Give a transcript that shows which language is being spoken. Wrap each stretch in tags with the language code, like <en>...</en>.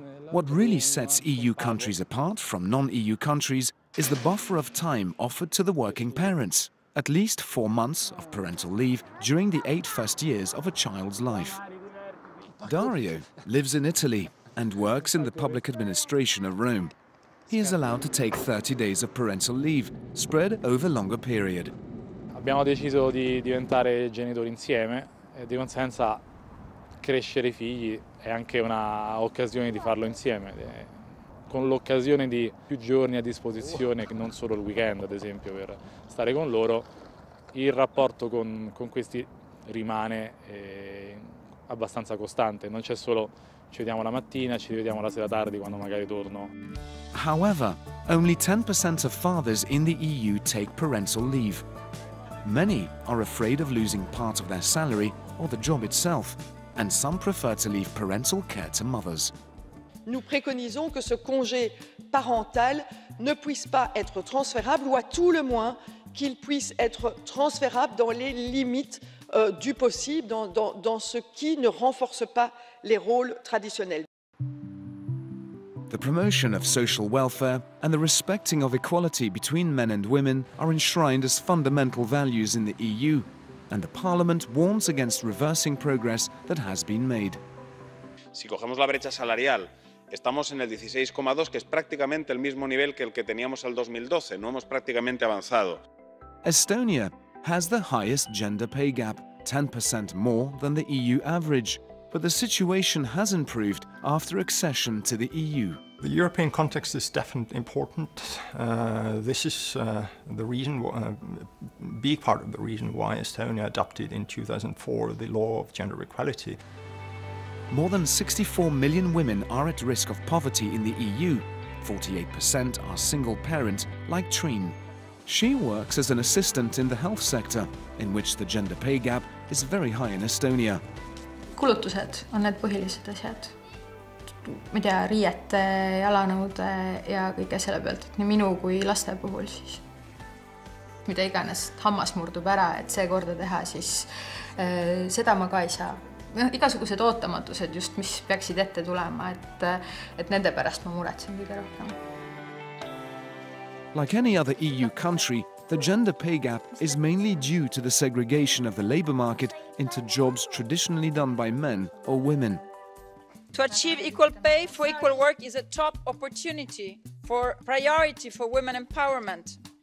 <en>What really sets EU countries apart from non-EU countries is the buffer of time offered to the working parents. At least 4 months of parental leave during the 8 first years of a child's life. Dario lives in Italy and works in the public administration of Rome. He is allowed to take 30 days of parental leave, spread over longer period.</en> <it>Abbiamo deciso di diventare genitori insieme e di conseguenza crescere I figli è anche una occasione di farlo insieme. Con l'occasione di più giorni a disposizione, non solo il weekend ad esempio, per stare con loro, il rapporto con questi rimane abbastanza costante. Non c'è solo ci vediamo la mattina, ci vediamo la sera tardi quando magari torno.</it> <en>However, only 10% of fathers in the EU take parental leave. Many are afraid of losing part of their salary or the job itself, and some prefer to leave parental care to mothers.</en> <fr>Nous préconisons que ce congé parental ne puisse pas être transférable ou à tout le moins qu'il puisse être transférable dans les limites du possible, dans ce qui ne renforce pas les rôles traditionnels.</fr> <en>The promotion of social welfare and the respecting of equality between men and women are enshrined as fundamental values in the EU, and the Parliament warns against reversing progress that has been made.</en> <es>Si cogemos la brecha salarial, estamos en el 16,2, que es prácticamente el mismo nivel que el que teníamos al 2012. No hemos prácticamente avanzado.</es> <en>Estonia has the highest gender pay gap, 10% more than the EU average. But the situation has improved after accession to the EU. The European context is definitely important. This is the reason, big part of the reason why Estonia adopted in 2004 the law of gender equality. More than 64 million women are at risk of poverty in the EU. 48% are single parents, like Trine. She works as an assistant in the health sector, in which the gender pay gap is very high in Estonia.</en> <et>Kulutused on need põhilised asjad. Ma ei tea, riiete, jalanõude ja kõige selle pealt, nii minu kui laste puhul siis. Mida iganes hammas murdub ära, et see korda teha, siis seda ma ka ei saa. Igasugused ootamatused just, mis peaksid ette tulema, et nende pärast ma muretsen kõige rohkem.</et> <en>Like any other EU country, the gender pay gap is mainly due to the segregation of the labour market into jobs traditionally done by men or women. To achieve equal pay for equal work is a top opportunity for priority for women empowerment.</en>